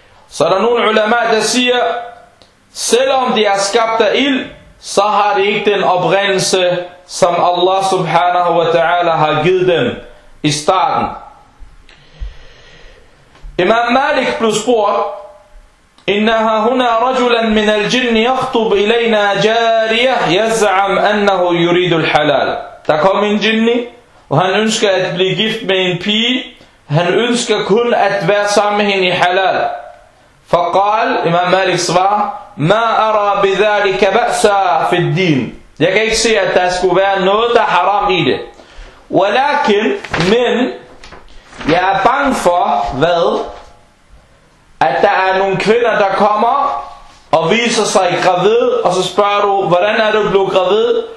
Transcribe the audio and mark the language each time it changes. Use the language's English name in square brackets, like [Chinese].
[Danish] Så er der nogle ulama, der siger, selvom de er skabt af ild, så har de ikke den oprindelse, som Allah subhanahu wa ta'ala har givet dem i starten. Imam Malik blev spurgt, [Arabic] إنها هنا رجلا من الجن يخطب إلينا جارية يزعم أنه يريد الحلال. [Danish] Der kom en jinni, og han ønsker at blive gift med en pige. Han ønsker kun at være sammen med hende i halal. [Arabic] فقال, [Danish] Imam Malik svar, [Arabic] ما أرى بذلك بأسا في الدين. [Danish] Jeg kan ikke se, at der skulle være noget, der er haram i det. ولكن, men, jeg er bange for, hvad? At der er nogle kvinder, der kommer og viser sig gravid, og så spørger du, hvordan er du blevet gravid?